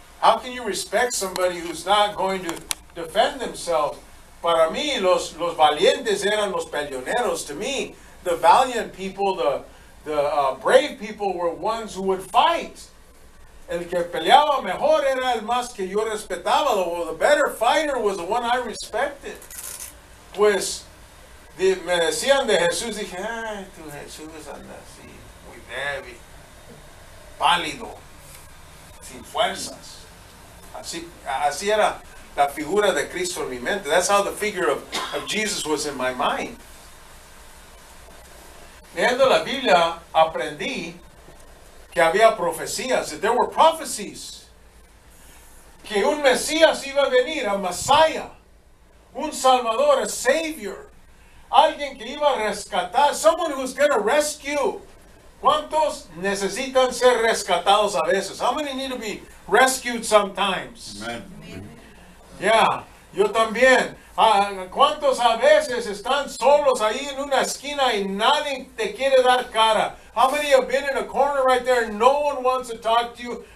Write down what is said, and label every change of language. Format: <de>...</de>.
<en>How can you respect somebody who's not going to defend themselves?</en> <es>Para mí, los valientes eran los peleoneros.</es> <en>To me, the valiant people, the brave people were ones who would fight.</en> <es>El que peleaba mejor era el más que yo respetaba.</es> <en>The better fighter was the one I respected.</en> <es>Pues, me decían de Jesús, dije, ay, tu Jesús anda así, muy débil, pálido, sin fuerzas. Así era la figura de Cristo en mi mente.</es> <en>That's how the figure of Jesus was in my mind.</en> <es>Leyendo la Biblia, aprendí que había profecías,</es> <en>that there were prophecies,</en> <es>que un Mesías iba a venir,</es> <en>a Messiah,</en> <es>un Salvador,</es> <en>a Savior,</en> <es>alguien que iba a rescatar,</es> <en>someone who's going to rescue.</en> <es>¿Cuántos necesitan ser rescatados a veces?</es> <en>How many need to be rescued sometimes? Amen. Yeah.</en> <es>Yo también. ¿Cuántos a veces están solos ahí en una esquina y nadie te quiere dar cara?</es> <en>How many have been in a corner right there and no one wants to talk to you?</en>